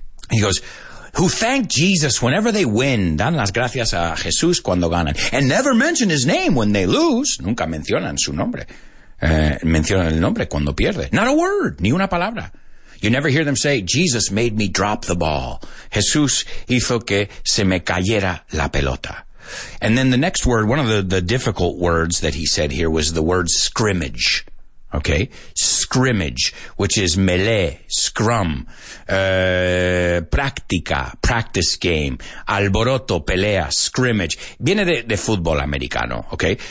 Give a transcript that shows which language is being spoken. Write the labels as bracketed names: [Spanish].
[English] He goes, who thank Jesus whenever they win, [Spanish] dan las gracias a Jesús cuando ganan, [English] and never mention his name when they lose. [Spanish] Nunca mencionan su nombre. Mencionan el nombre cuando pierde. [English] Not a word, [Spanish] ni una palabra. [English] You never hear them say, Jesus made me drop the ball. [Spanish] Jesús hizo que se me cayera la pelota. [English] And then the next word, one of the difficult words that he said here was the word scrimmage. Okay, scrimmage, which is melee, scrum, práctica, practice game, [Spanish] alboroto, pelea, [English] scrimmage. [Spanish] Viene de fútbol americano, [English] okay?